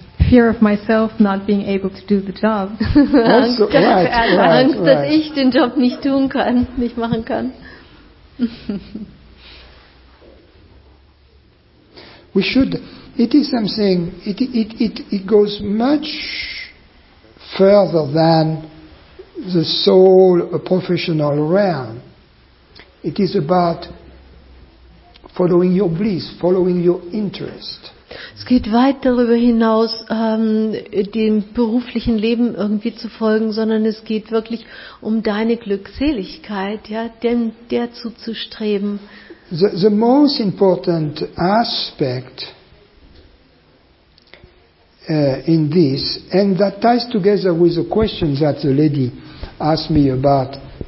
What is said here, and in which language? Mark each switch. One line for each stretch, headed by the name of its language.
English: Fear of myself not being able to do the job.
German: Also, Angst, dass ich den Job nicht tun kann, nicht machen kann.
English: We should. It is something. It goes much further than the sole professional realm. It is about following your bliss, following your interest.
German: Es geht weit darüber hinaus, dem beruflichen Leben irgendwie zu folgen, sondern es geht wirklich um deine Glückseligkeit, ja, der zuzustreben.
English: The most important aspect in this, and that ties together with the question that the lady asked me about